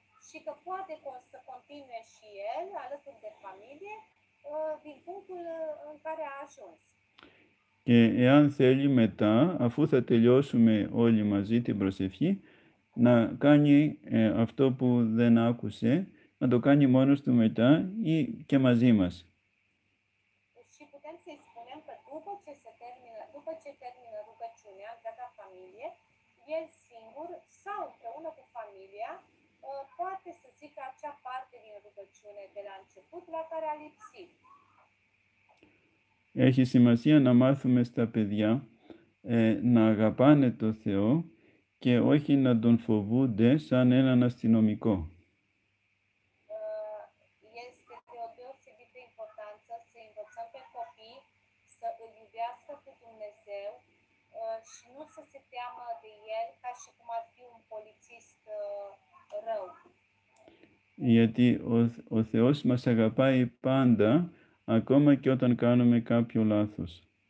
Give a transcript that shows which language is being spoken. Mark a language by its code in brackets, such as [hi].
[ro] Și că poate să continue și el alături de familie din punctul în care a ajuns. [el] Και εάν θέλει μετά, αφού θα τελειώσουμε όλοι μαζί την προσευχή, να κάνει αυτό που δεν άκουσε, να το κάνει μόνος του μετά ή και μαζί μας. [ro] Și putem să-i spunem că după ce termină rugăciunea de la familie, el singur sau împreună cu familia poate să zică acea parte din rugăciune de la început la care a lipsit. [el] Έχει σημασία να μάθουμε στα παιδιά να αγαπάνε το Θεό και όχι να τον φοβούνται σαν έναν αστυνομικό. [ro] Este de o deosebită importanță să învățăm pe copii să îl iubească pe Dumnezeu și nu să se teamă de el ca și cum ar fi un polițist rău. [el] Γιατί ο Θεός μας αγαπάει πάντα, ακόμα και όταν κάνουμε κάποιο λάθος.